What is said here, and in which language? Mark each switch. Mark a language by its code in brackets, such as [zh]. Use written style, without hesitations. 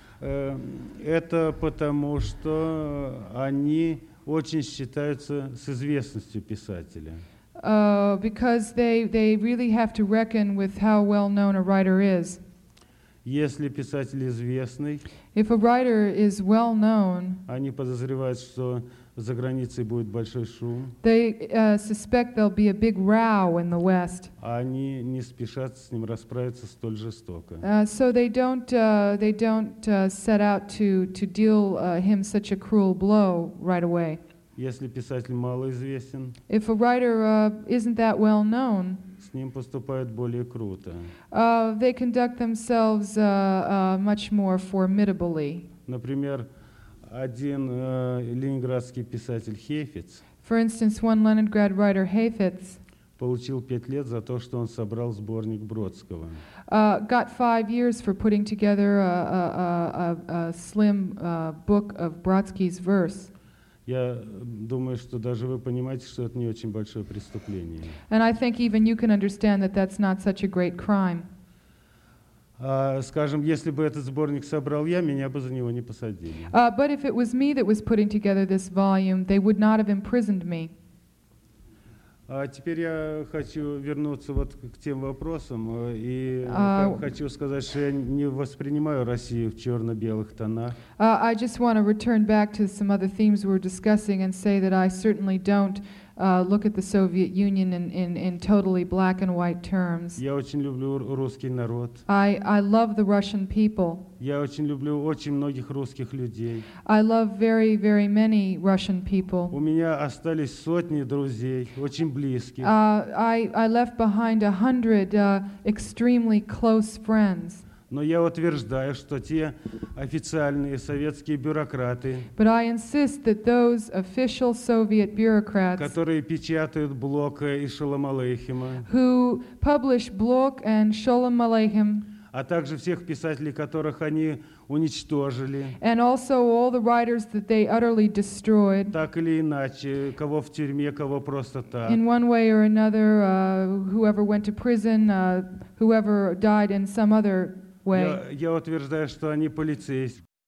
[ru] Это потому, что они очень считаются с известностью писателя. [en] Because they really have to reckon with how well known a writer is. [ru] Если писатель известный, [en] if a writer is well known, [ru] они подозревают, что за границей будет большой шум. [en] They suspect there'll be a big row in the West. [ru] Они не спешат с ним расправиться столь жестоко. [en] So they don't set out to deal him such a cruel blow right away. [ru] Если писатель малоизвестен, [en] if a writer isn't that well known, [ru] с ним поступают более круто. [en] They conduct themselves much more formidably. [ru] Например, один ленинградский писатель Хейфец, [en] for instance, one Leningrad writer Хейфец, [ru] получил 5 лет за то, что он собрал сборник Бродского. [en] Got 5 years for putting together a slim book of Brodsky's verse. [ru] Я думаю, что даже вы понимаете, что это не очень большое преступление. [en] And I think even you can understand that that's not such a great crime. [ru] Скажем, если бы этот сборник собрал я, меня бы за него не посадили. [en] But if it was me that was putting together this volume, they would not have imprisoned me. [ru] Теперь я хочу вернуться вот к тем вопросам и хочу сказать, что я не воспринимаю Россию в черно-белых тонах. [en] I just want to return back to some other themes we were discussing and say that I certainly don't look at the Soviet Union in totally black and white terms. [ru] Я очень люблю русский народ. [en] I love the Russian people. [ru] Я очень люблю очень многих русских людей. [en] I love very, very many Russian people. [ru] У меня остались сотни друзей, очень близких. [en] I left behind 100 extremely close friends. [ru] Но я утверждаю, что те официальные советские бюрократы, [en] but I insist that those official Soviet bureaucrats, [ru] которые печатают Блока и Шолом Алейхема, [en] who publish Blok and Sholem Aleichem, [ru] а также всех писателей, которых они уничтожили, [en] and also all the writers that they utterly destroyed, [ru] так или иначе, кого в тюрьме, кого просто так, [en] in one way or another, whoever went to prison, whoever died in some other way. [ru] Я утверждаю, что они полицейские.